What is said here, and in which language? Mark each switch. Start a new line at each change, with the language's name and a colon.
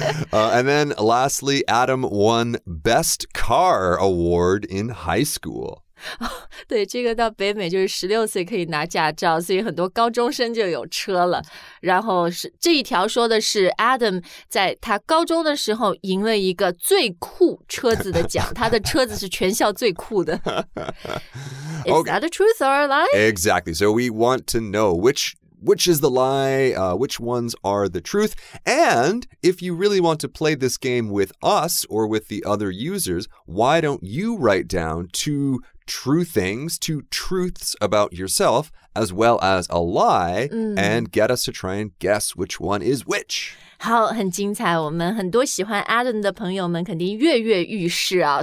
English: And then lastly, Adam won best car award in high school.
Chinese: 对，这个到北美就是16岁可以拿驾照，所以很多高中生就有车了。然后是这一条说的是 Adam 在他高中的时候赢了一个最酷车子的奖，他的车子是全校最酷的。
English: Is that a truth or a lie? Exactly. So we want to know which is the lie, which ones are the truth. And if you really want to play this game with us or with the other users, why don't you write down two true things, two truths about yourself, as well as a lie, and get us to try and guess which one is which.
Chinese: 好，很精彩。我们很多喜欢 Adam 的朋友们肯定跃跃欲试啊。